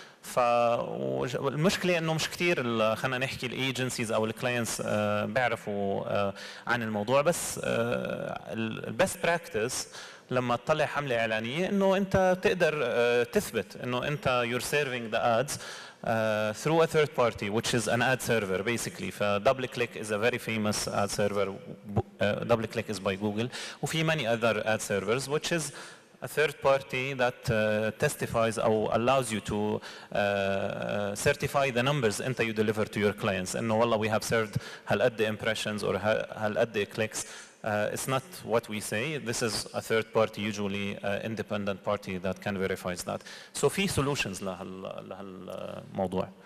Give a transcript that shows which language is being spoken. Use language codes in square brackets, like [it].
[ar] فالمشكلة أنه مش كثير خلنا نحكي الايجنسيز أو الكلاينتس بيعرفوا عن الموضوع، بس البست براكتس لما تطلع حملة إعلانية أنه أنت تقدر تثبت أنه أنت [en] you're serving the ads through a third party which is an ad server basically. ف double click is a very famous ad server. Double click is by Google. وفي many other ad servers which is a third party that testifies or allows you to certify the numbers انت you deliver to your clients. [ar] انه والله [en] we have served هالقد impressions or هالقد clicks. It's not what we say. This is a third party, usually independent party that can verify that. [ar] So في solutions لهالموضوع.